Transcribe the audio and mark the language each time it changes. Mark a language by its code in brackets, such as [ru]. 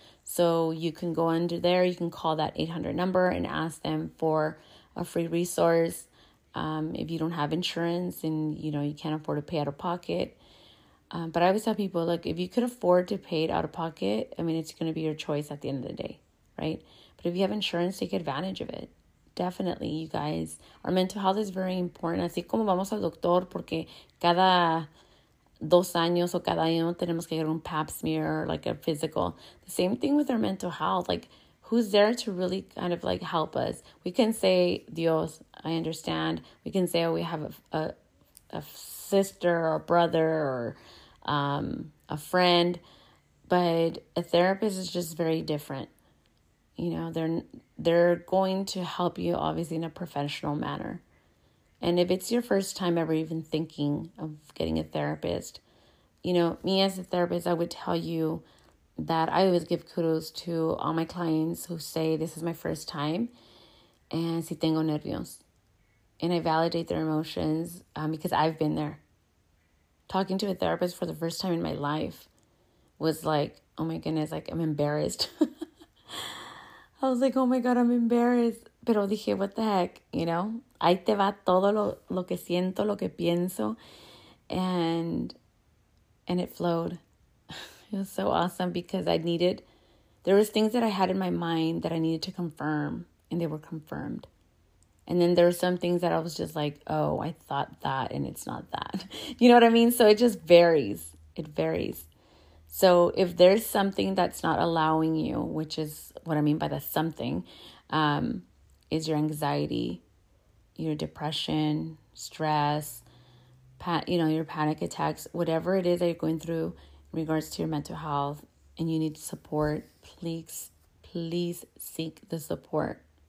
[en] So you can go under there, you can call that 800 number and ask them for a free resource. If you don't have insurance and, you know, you can't afford to pay out of pocket. But I always tell people, look, if you could afford to pay it out of pocket, I mean, it's going to be your choice at the end of the day, right? But if you have insurance, take advantage of it. Definitely, you guys. Our mental health is very important. [es] Así como vamos al doctor porque cada 2 años o cada año tenemos que ir a un pap smear [en] or like a physical. The same thing with our mental health. Like, who's there to really kind of like help us? We can say, Dios, I understand. We can say, oh, we have a sister or a brother or a friend. But a therapist is just very different. You know, they're going to help you, obviously, in a professional manner. And if it's your first time ever even thinking of getting a therapist, you know, me as a therapist, I would tell you that I always give kudos to all my clients who say this is my first time and [es] si tengo nervios. [en] And I validate their emotions because I've been there. Talking to a therapist for the first time in my life was like, oh my goodness, like I'm embarrassed. I was like, oh my God, I'm embarrassed. [es] Pero dije, [en] what the heck, you know? [es] Ahí te va todo lo que siento, lo que pienso. [en] And it flowed. It was so awesome because I needed, there was things that I had in my mind that I needed to confirm, and they were confirmed. And then there are some things that I was just like, oh, I thought that and it's not that. You know what I mean? So it just varies. It varies. So if there's something that's not allowing you, which is what I mean by the something, is your anxiety, your depression, stress, you know, your panic attacks, whatever it is that you're going through in regards to your mental health and you need support, please, please seek the support.